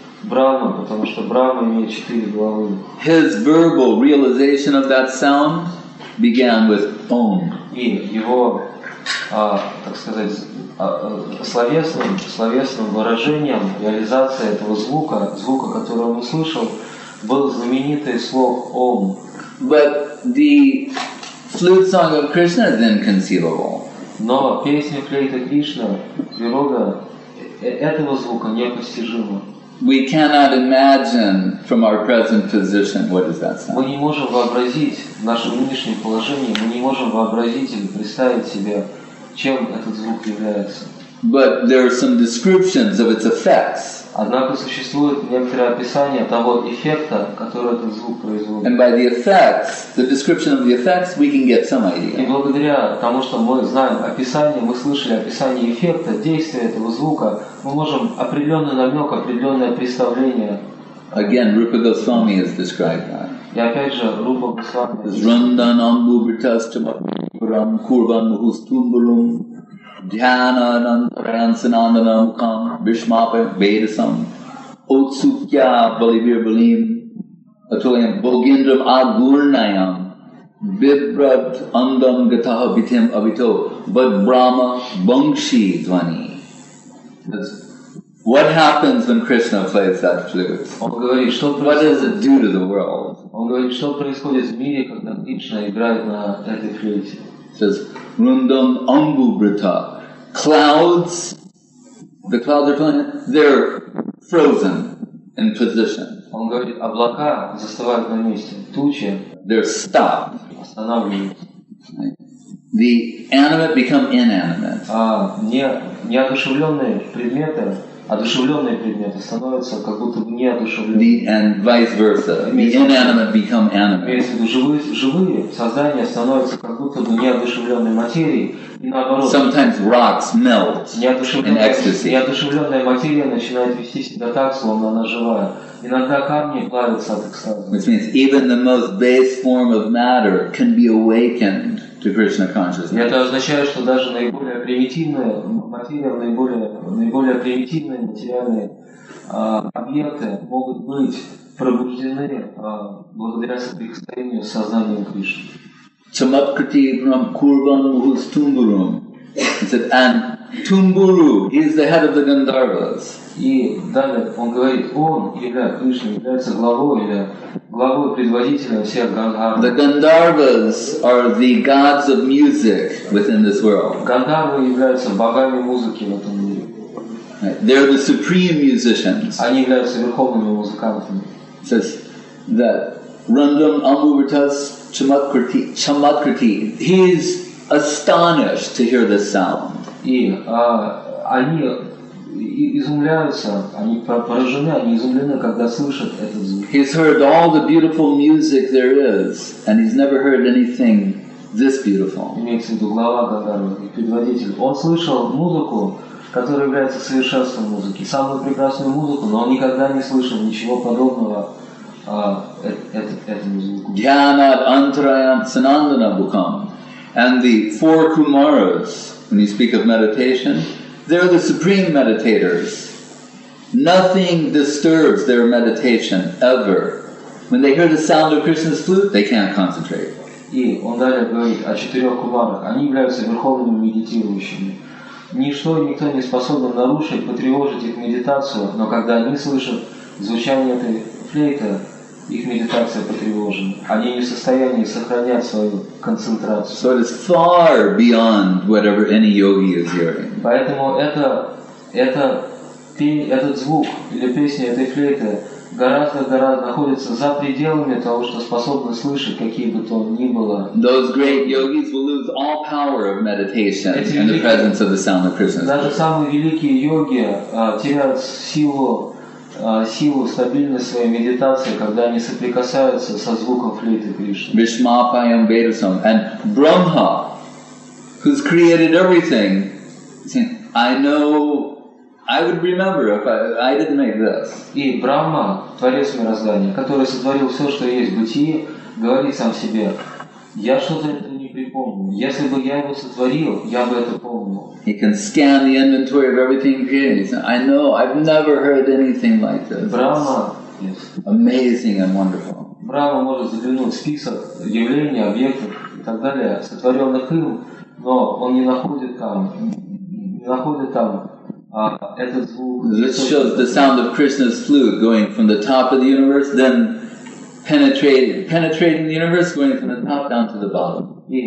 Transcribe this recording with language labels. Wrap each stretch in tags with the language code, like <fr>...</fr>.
<ru>Брахма, потому что Брахма имеет четыре головы.</ru> <en>His verbal realization of that sound began with Om.</en> <ru>И его, так сказать, словесным выражением реализация этого звука, который он услышал, был знаменитый слог Om.</ru> <en>But the flute song of Krishna is inconceivable.</en> <ru>Но песня флейты Кришны, природа этого звука непостижима.</ru> <en>We cannot imagine from our present position what is that sound.</en> <ru>Мы не можем вообразить в нашем нынешнем положении, мы не можем вообразить или представить себе, чем этот звук является.</ru> <en>But there are some descriptions of its effects.</en> <ru>Однако существует некоторое описание того эффекта, который этот звук производит.</ru> <en>And by the effects, the description of the effects, we can get some idea.</en> <ru>И благодаря тому, что мы знаем описание, мы слышали описание эффекта, действия этого звука, мы можем определенный намек, определенное представление.</ru> <en>Again, Rupa Goswami has described that.</en> <ru>И опять же, Рупа Госвами. Зрунданам бубритастамакурам курванмухустумбурум. Dhyana Nantarayansanandanam Kam Vishmapa Vedasam Otsukya Balivir Balim Atulayam Bogindram Agurnayam Vibrat Andam Gataha Vitim Avito Bad Brahma Bangshi Dvani.</ru> <en>What happens when Krishna plays that flute? What does it do to the world?</en> <ru>Он говорит, что происходит в мире, когда Кришна играет на этой флюте? Says Rundam Ambu Brita.</ru> <en>Clouds, the clouds are falling, they're frozen in position.</en> <ru>Он говорит, облака застывают на месте, тучи.</ru> <en>They're stopped.</en> <ru>Останавливаются.</ru> <en>The animate become inanimate.</en> <ru>Неодушевленные предметы, одушевленные предметы становятся как будто бы неодушевленными.</ru> <en>And vice versa. The inanimate become animate.</en> <ru>Если живые создания становятся как будто бы неодушевленной материей, наоборот,</ru> <en>sometimes rocks melt in ecstasy.</en> <ru>Неодушевленная материя начинает вести себя так, словно она живая. Иногда камни плавятся от экстаза.</ru> <en>Which means even the most base form of matter can be awakened to Krishna consciousness.</en> <ru>Это означает, что даже наиболее примитивная материя, наиболее примитивные материальные объекты могут быть пробуждены благодаря соприкосновению с сознанием Кришны. Chamatkriti Ram Kurvan Muhus Tumburum.</ru> <en>He said, and Tumburu, he is the head of the Gandharvas.</en> <ru>И далее он говорит, он или Кришна является главой или главой предводителем всех Гандхарвов.</ru> <en>The Gandharvas are the gods of music within this world.</en> <ru>Гандхарвы являются богами музыки в этом мире.</ru> <en>They're the supreme musicians.</en> <ru>Они являются верховными музыкантами. Says that Rangam Amuvritas Chamatkriti.</ru> <en>Chamatkriti. He is astonished to hear this sound.</en> <ru>И они изумляются, они поражены, они изумлены, когда слышат этот звук.</ru> <en>He's heard all the beautiful music there is, and he's never heard anything this beautiful.</en> <ru>Имеется в виду глава Гандхарва и предводитель. Он слышал музыку, которая является совершенством музыки, самую прекрасную музыку, но он никогда не слышал ничего подобного этому звуку. Гьянат антраям санандана букам.</ru> <en>And the four Kumaras, when you speak of meditation, they're the supreme meditators. Nothing disturbs their meditation ever. When they hear the sound of Krishna's flute, they can't concentrate.</en> <ru>И он далее говорит о четырех кумарах. Они являются верховными медитирующими. Ничто и никто не способен нарушить, потревожить их медитацию, но когда они слышат звучание этой флейты, их медитация потревожена. Они не в состоянии сохранять свою концентрацию.</ru> <en>So it is far beyond whatever any yogi is hearing.</en> <ru>Поэтому этот звук или песня этой флейты гораздо находится за пределами того, что способны слышать какие бы то ни было.</ru> <en>Those great yogis will lose all power of meditation in the presence of the sound of Krishna.</en> <ru>Даже самые великие йоги теряют силу стабильной своей медитации, когда они соприкасаются со звуком флейты Кришны. Бишмапаям Ведасам.</ru> <en>And Brahma, who's created everything, I know, I would remember if I didn't make this.</en> <ru>И Брахма, творец мироздания, который сотворил все, что есть в бытии, говорит сам себе, я что-то не припомню. Если бы я его сотворил, я бы это помнил.</ru> <en>He can scan the inventory of everything he is. I know, I've never heard anything like this.</en> <ru>Брахма,</ru> <en>yes. Amazing and wonderful.</en> <ru>Брахма может заглянуть в список явлений, объектов и так далее, сотворенных им, но он не находит там,</ru> <en>This shows the sound of Krishna's flute going from the top of the universe, then penetrating the universe, going from the top down to the bottom.</en>